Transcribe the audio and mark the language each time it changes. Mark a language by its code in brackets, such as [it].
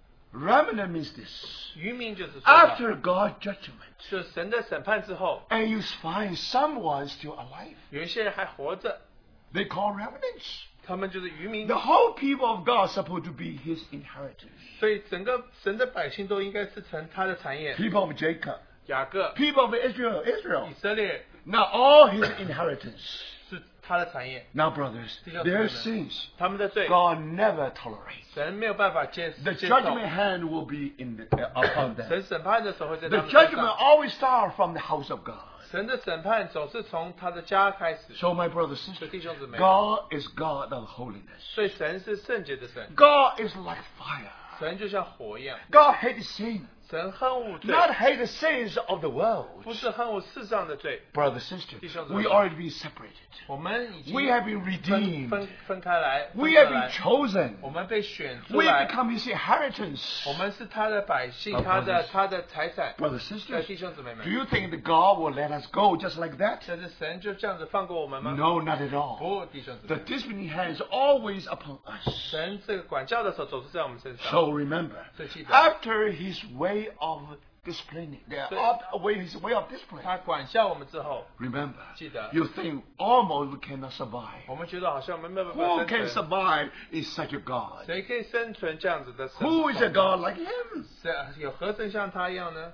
[en] Remnant means this. [zh] 渔民就是 [en] After God's judgment, [zh] 就是神的审判之后 [en] and you find someone still alive. [zh] 有一些人还活着。 [en] They call remnants. [zh] 他们就是渔民。 [en] The whole people of God supposed to be His inheritance. [zh] 所以整个神的百姓都应该是成他的产业。 [en] People of Jacob, [zh] 雅各。 [en] People of Israel, [zh] 以色列。 [en] Now all His inheritance [zh] 是他的产业。 [en] Now brothers, their sins, [zh] 他们的罪 [en] God never tolerates. [zh] 神没有办法接受。 [en] The judgment hand will be in the, upon them. [zh] 神审判的时候在他们身上。 [en] The judgment always starts from the house of God. [zh] 神的审判总是从他的家开始。 [en] So my brothers, [zh] 所以弟兄姊妹 [en] ，God is God of holiness. [zh] 所以神是圣洁的神。 [en] God is like fire. [zh] 神就像火一样。 [en] God hates sin. [zh] 神恨恶罪。 [en] Not hate the sins of the world. [zh] 不是恨恶世上的罪。 [en] Brothers, sisters, [zh] 弟兄姊妹 [en] ，We already been separated. [zh] 我们已经 [en] ，We have been redeemed. [zh] 分开来。 [en] We have been chosen. [zh] 我们被选出来。 [en] We have become His inheritance. [zh] 我们是他的百姓， oh, 他的财产。 [en] Brothers, sisters, [zh] 弟兄姊妹们 [en] ，Do you think that God will let us go just like that? [zh] 但是神就这样子放过我们吗 [en] ？No, not at all. [zh] 不，弟兄姊妹 [en] ，The disciplining hand is always upon us. [zh] 神这个管教的手总是在我们身上。 [en] So remember, [zh] 所以记得 [en] after His way of Disciplining. They are out of his way of discipline. Remember, [zh] 记得, [en] you think almost we cannot survive. [zh] 我们觉得好像没办法生存。 [en] Who can survive in such a God? [zh] 谁可以生存这样子的神? [en] Who is a God like him? [zh] 谁, 有何神像他一样呢?